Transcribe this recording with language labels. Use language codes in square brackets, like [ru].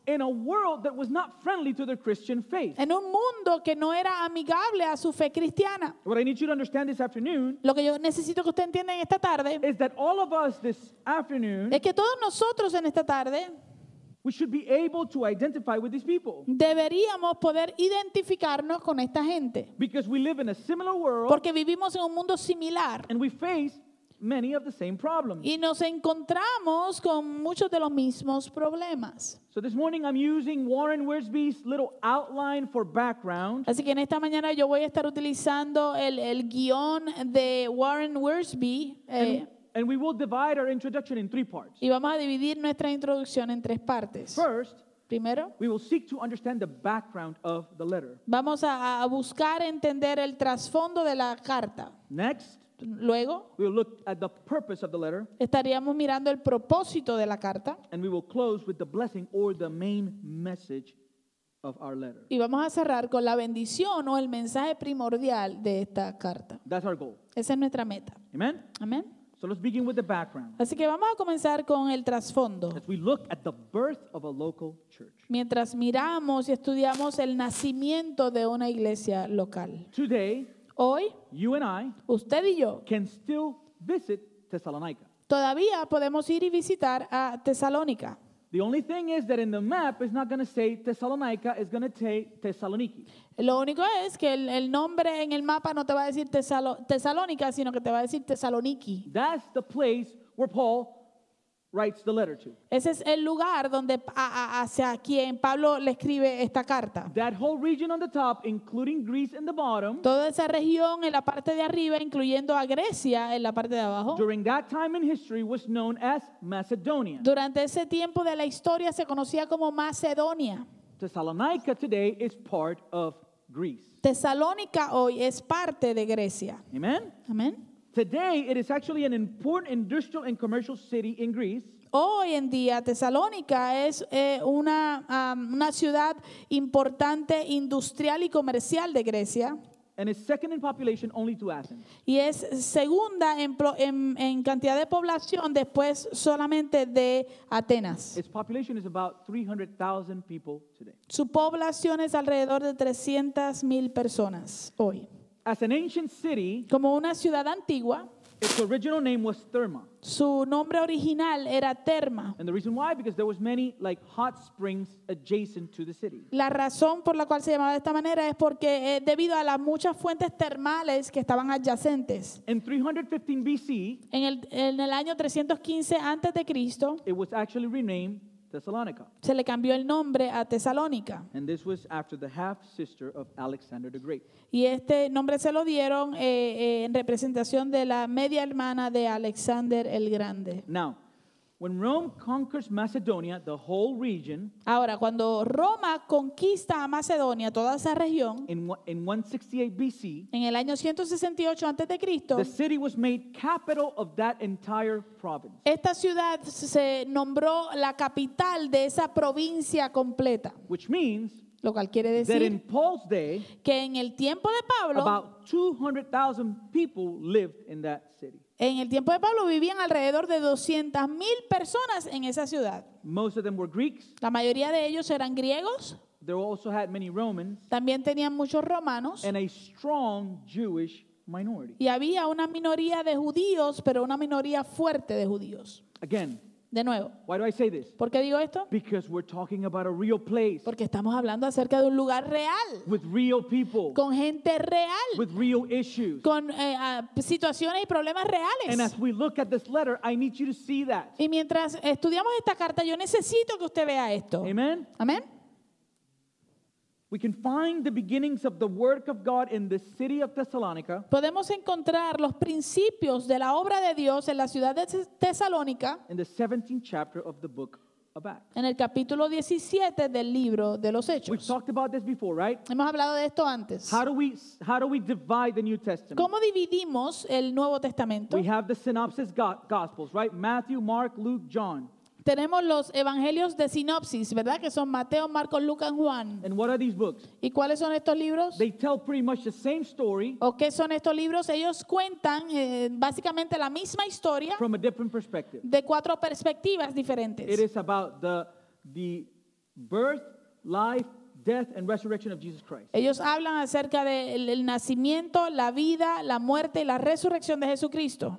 [en] in a world that was not friendly to their Christian faith. [es] En un mundo que no era amigable a su fe cristiana. [en] What I need you to understand this afternoon, [es] lo que yo necesito que usted entienda en esta tarde [en] is that all of us this afternoon, [es] es que todos nosotros en esta tarde [en] we should be able to identify with these people. [es] Deberíamos poder identificarnos con esta gente [en] because we live in a similar world, [es] porque vivimos en un mundo similar [en] and we face many of the same problems. [es] Y nos encontramos con muchos de los mismos problemas. [en] So this morning I'm using Warren Wiersbe's little outline for background. [es] Así que en esta mañana yo voy a estar utilizando el guion de Warren Wiersbe. [en] And we will divide our introduction in three parts. [es] Y vamos a dividir nuestra introducción en tres partes. [en] First, [es] primero, [en] we will seek to understand the background of the letter. [es] Vamos a buscar entender el trasfondo de la carta. [en] Next, [es] luego, [en] we will look at the purpose of the letter. [es] Estaríamos mirando el propósito de la carta. [en] And we will close with the blessing or the main message of our letter. [es] Y vamos a cerrar con la bendición o el mensaje primordial de esta carta. [en] That's our goal. [es] Esa es nuestra meta. [en] Amen. [es] Amen. [en] So let's begin with the background. [es] Así que vamos a comenzar con el trasfondo. [en] As we look at the birth of a local church. [es] Mientras miramos y estudiamos el nacimiento de una iglesia local. [en] Today, [es] hoy, [en] you and I, [es] usted y yo, [en] can still visit Thessalonica. [es] Todavía podemos ir y visitar a Tesalónica. [en] The only thing is that in the map it's not going to say Thessalonica, it's going to say Thessaloniki. [es] Lo único es que el nombre en el mapa no te va a decir Tesalónica, sino que te va a decir Tesaloniki. [en] That's the place where Paul writes the letter to. [es] Ese es el lugar donde hacia quien Pablo le escribe esta carta. [en] That whole region on the top, including Greece in the bottom. [es] Toda esa región en la parte de arriba, incluyendo a Grecia en la parte de abajo. [en] During that time in history, was known as Macedonia. [es] Durante ese tiempo de la historia se conocía como Macedonia. [en] Thessalonica today is part of Greece. [es] Tesalónica hoy es parte de Grecia. [en] Amen. Amen. Today it is actually an important industrial and commercial city in Greece. [es] Hoy en día Tesalónica es una ciudad importante industrial y comercial de Grecia. [en] And it's second in population only to Athens. [es] Y es segunda en cantidad de población después solamente de Atenas. [en] Its population is about 300,000 people today. [es] Su población es alrededor de 300,000 personas hoy. [en] As an ancient city, [es] como una ciudad antigua, [en] its original name was Therma. [es] Su nombre original era Therma. [en] And the reason why, because there was many like hot springs adjacent to the city. [es] La razón por la cual se llamaba de esta manera es porque debido a las muchas fuentes termales que estaban adyacentes. [en] In 315 BC, [es] en el año 315 antes de Cristo, [en] it was actually renamed Thessalonica. [es] Se le cambió el nombre a Tesalónica. [en] And this was after the half sister of Alexander the Great. [es] Y este nombre se lo dieron en representación de la media hermana de Alexander el Grande. [en] Now, when Rome conquers Macedonia, the whole region. [es] Ahora, cuando Roma conquista a Macedonia, toda esa región. [en] In 168 BC. [es] En el año 168 antes de Cristo. [en] The city was made capital of that entire province. [es] Esta ciudad se nombró la capital de esa provincia completa. [en] Which means. [es] Lo cual quiere decir. [en] That in Paul's day. [es] Que en el tiempo de Pablo. [en] About 200,000 people lived in that city. [es] En el tiempo de Pablo vivían alrededor de 200,000 personas en esa ciudad. [en] Most of them were Greeks. [es] La mayoría de ellos eran griegos. [en] They also had many Romans. [es] También tenían muchos romanos. [en] And a strong Jewish minority. [es] Y había una minoría de judíos, pero una minoría fuerte de judíos. [en] Again. [es] De nuevo. [en] Why do I say this? [es] ¿Por qué digo esto? [en] Because we're talking about a real place. [es] Porque estamos hablando acerca de un lugar real. [en] With real people. [es] Con gente real. [en] With real issues. [es] Con situaciones y problemas reales. [en] And as we look at this letter, I need you to see that. [es] Y mientras estudiamos esta carta, yo necesito que usted vea esto. [en] Amen. Amen. We can find the beginnings of the work of God in the city of Thessalonica. [es] Podemos encontrar los principios de la obra de Dios en la ciudad de Tesalónica. [en] In the 17th chapter of the book of Acts. [es] En el capítulo 17 del libro de los Hechos. [en] We've talked about this before, right? [es] Hemos hablado de esto antes. [en] How do we divide the New Testament? [es] ¿Cómo dividimos el Nuevo Testamento? [en] We have the synoptic gospels, right? Matthew, Mark, Luke, John. [es] Tenemos los evangelios de sinopsis, ¿verdad? Que son Mateo, Marcos, Lucas, Juan. [en] And what are these books? [es] ¿Y cuáles son estos libros? [en] They tell pretty much the same story. [es] ¿O qué son estos libros? Ellos cuentan básicamente la misma historia. [en] From a different perspective. [es] De cuatro perspectivas diferentes. [en] It is about the birth, life, death, and resurrection of Jesus Christ. [es] Ellos hablan acerca del nacimiento, la vida, la muerte y la resurrección de Jesucristo.